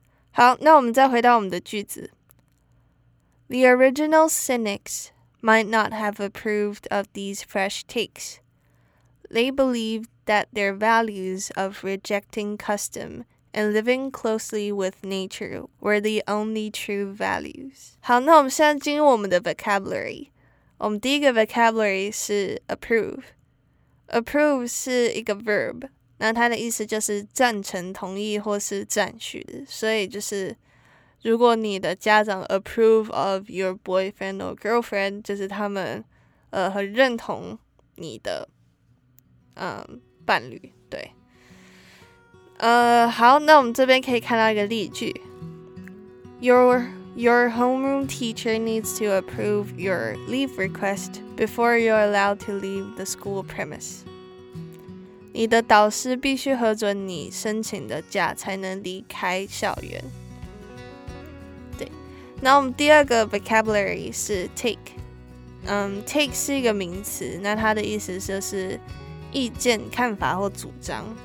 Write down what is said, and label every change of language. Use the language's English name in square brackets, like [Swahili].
[Chinese] 好，那我们再回到我们的句子。 [English] The original cynics might not have approved of these fresh takes. They believed that their values of rejecting custom. And living closely with nature were the only true values. [Chinese] 好，那我们现在进入我们的 vocabulary。我们第一个 vocabulary 是 approve。 Approve 是一个 verb， 那它的意思就是赞成、同意或是赞许。所以就是，如果你的家长 [English] approve of your boyfriend or girlfriend， [Chinese] 就是他们很认同你的伴侣，对。好，那我们这边可以看到一个例句。 [English] Your homeroom teacher needs to approve your leave request before you're allowed to leave the school premise. [Chinese] 你的导师必须核准你申请的假才能离开校园。对，那我们第二个 vocabulary 是 take。 Take 是一个名词，那它的意思就是意见、看法或主张。